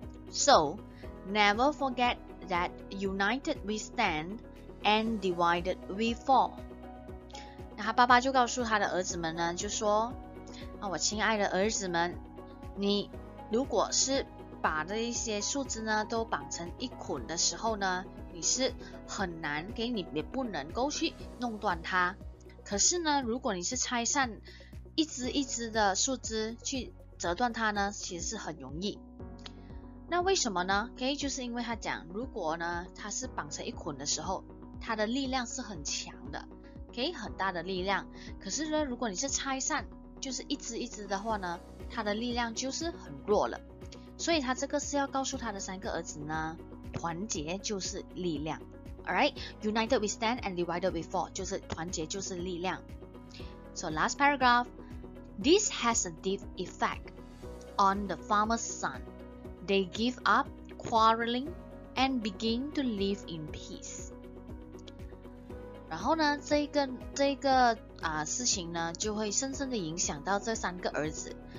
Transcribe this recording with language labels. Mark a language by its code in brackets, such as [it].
[en] So, never forget that united we stand and divided we fall. [zh] 那他爸爸就告诉他的儿子们呢,就说,我亲爱的儿子们, 你如果是把这些树枝呢都绑成一捆的时候呢, 你是很难给你也不能够去弄断它。可是呢, 如果你是拆散一只一只的树枝去折断它呢, 其实是很容易。那为什么呢？ OK， 就是因为他讲，如果呢他是绑成一捆的时候，他的力量是很强的， OK， 很大的力量。可是呢，如果你是拆散，就是一只一只的话呢，他的力量就是很弱了。所以他这个是要告诉他的三个儿子呢，团结就是力量。 [en] Alright, united we stand and divided we fall， [zh] 就是团结就是力量。 [en] So last paragraph, this has a deep effect on the farmer's son. They give up quarreling and begin to live in peace. [zh] 然后呢，这个事情呢，就会深深的影响到这三个儿子。